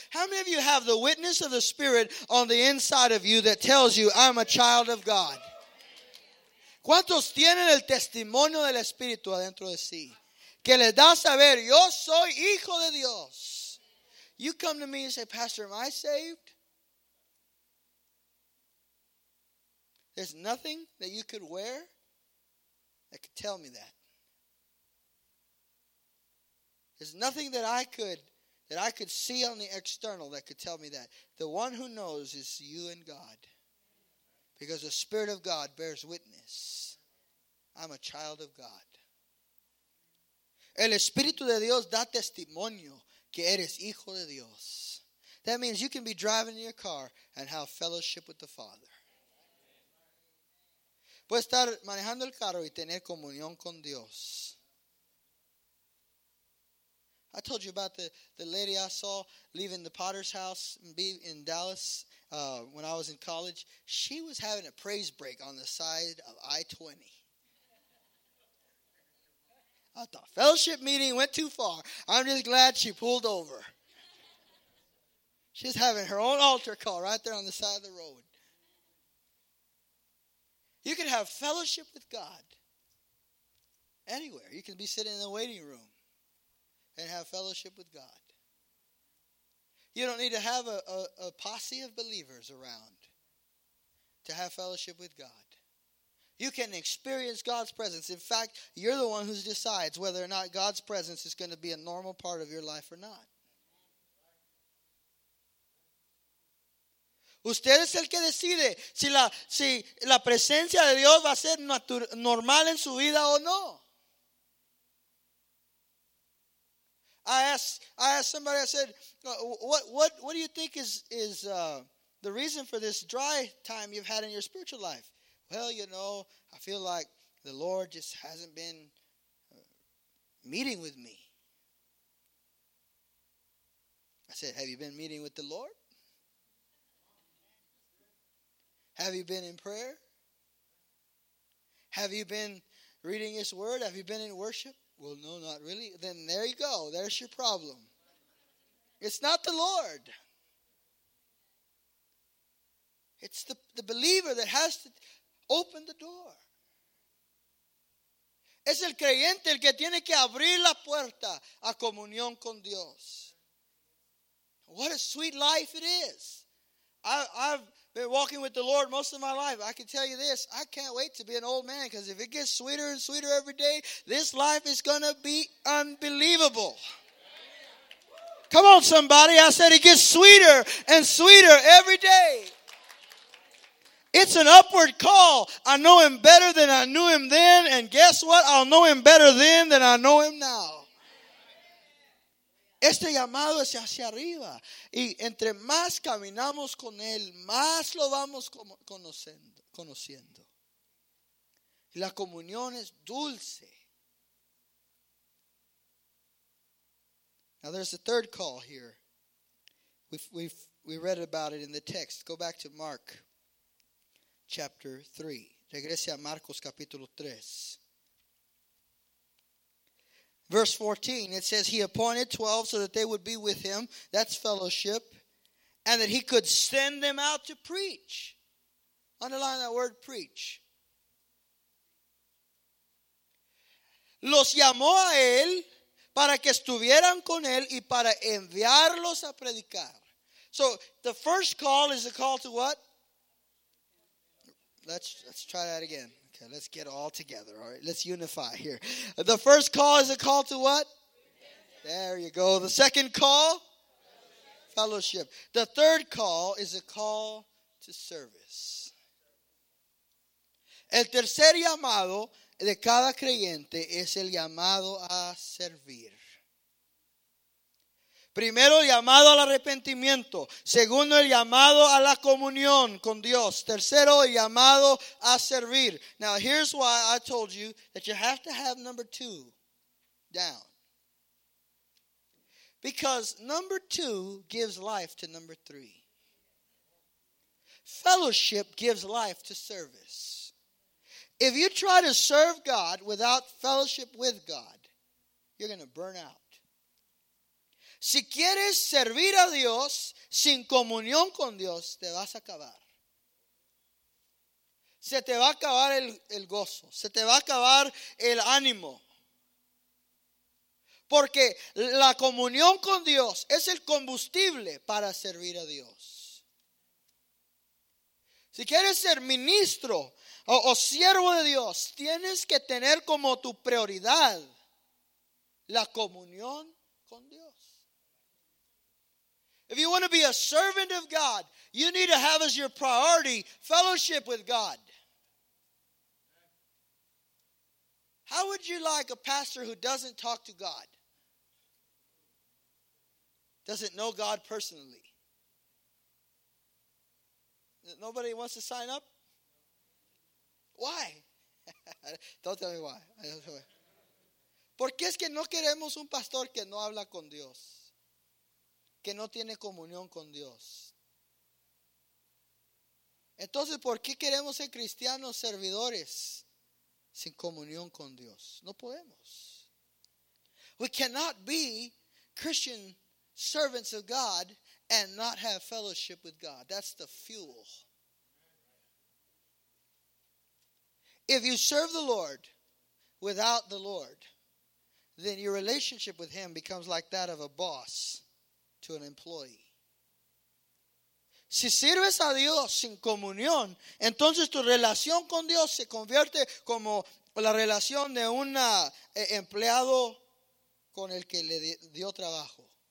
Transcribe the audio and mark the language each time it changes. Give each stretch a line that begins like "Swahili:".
English: How many of you have the witness of the Spirit on the inside of you that tells you, I'm a child of God?
Spanish: ¿Cuántos tienen el testimonio del Espíritu adentro de sí? Que les da saber, yo soy hijo de Dios.
English: You come to me and say, Pastor, am I saved? There's nothing that you could wear that could tell me that. There's nothing that I could see on the external that could tell me that. The one who knows is you and God. Because the Spirit of God bears witness. I'm a child of God.
Spanish: El Espíritu de Dios da testimonio que eres hijo de Dios.
English: That means you can be driving in your car and have fellowship with the Father.
Spanish: Puedes estar manejando el carro y tener comunión con Dios.
English: I told you about the lady I saw leaving the Potter's house in Dallas when I was in college. She was having a praise break on the side of I-20. I thought, fellowship meeting went too far. I'm just glad she pulled over. She's having her own altar call right there on the side of the road. You can have fellowship with God anywhere. You can be sitting in the waiting room and have fellowship with God. You don't need to have a posse of believers around to have fellowship with God. You can experience God's presence. In fact, you're the one who decides whether or not God's presence is going to be a normal part of your life or not.
Spanish: Usted es el que decide si la presencia de Dios va a ser normal en su vida o no.
English: I asked somebody, I said, what do you think is the reason for this dry time you've had in your spiritual life? Well, you know, I feel like the Lord just hasn't been meeting with me. I said, have you been meeting with the Lord? Have you been in prayer? Have you been reading His word? Have you been in worship? Well, no, not really. Then there you go. There's your problem. It's not the Lord. It's the believer that has to... Open the door.
Spanish: Es el creyente el que tiene que abrir la puerta a comunión con Dios.
English: What a sweet life it is. I've been walking with the Lord most of my life. I can tell you this. I can't wait to be an old man, because if it gets sweeter and sweeter every day, this life is going to be unbelievable. Come on, somebody. I said it gets sweeter and sweeter every day. It's an upward call. I know him better than I knew him then. And guess what? I'll know him better then than I know him now.
Spanish: Este llamado es hacia arriba. Y entre más caminamos con él, más lo vamos conociendo. La comunión es dulce.
English: Now there's a third call here. We read about it in the text. Go back to Mark chapter 3.
Spanish: Regrese a Marcos capítulo 3.
English: Verse 14, it says, he appointed 12 so that they would be with him. That's fellowship. And that he could send them out to preach. Underline that word, preach.
Spanish: Los llamó a él para que estuvieran con él y para enviarlos a predicar.
English: So the first call is a call to what? Let's try that again. Okay, let's get all together. All right, let's unify here. The first call is a call to what? There you go. The second call? Fellowship. The third call is a call to service.
Spanish: El tercer llamado de cada creyente es el llamado a servir. Primero, llamado al arrepentimiento. Segundo, el llamado a la comunión con Dios. Tercero, el llamado a servir.
English: Now, here's why I told you that you have to have number two down. Because number two gives life to number three. Fellowship gives life to service. If you try to serve God without fellowship with God, you're going to burn out.
Spanish: Si quieres servir a Dios sin comunión con Dios, te vas a acabar. Se te va a acabar el gozo. Se te va a acabar el ánimo. Porque la comunión con Dios es el combustible para servir a Dios. Si quieres ser ministro o siervo de Dios, tienes que tener como tu prioridad la comunión con Dios.
English: If you want to be a servant of God, you need to have as your priority fellowship with God. How would you like a pastor who doesn't talk to God? Doesn't know God personally? Nobody wants to sign up? Why? Don't tell me why.
Spanish: ¿Por qué es que no queremos un pastor que no habla con Dios? Que no tiene comunión con Dios. Entonces, ¿por qué queremos ser cristianos servidores sin comunión con Dios? No podemos.
English: We cannot be Christian servants of God and not have fellowship with God. That's the fuel. If you serve the Lord without the Lord, then your relationship with Him becomes like that of a boss to an employee.
Spanish: Si sirves a Dios sin comunión, entonces tu relación con Dios se convierte como la relación de un empleado con el que le dio trabajo.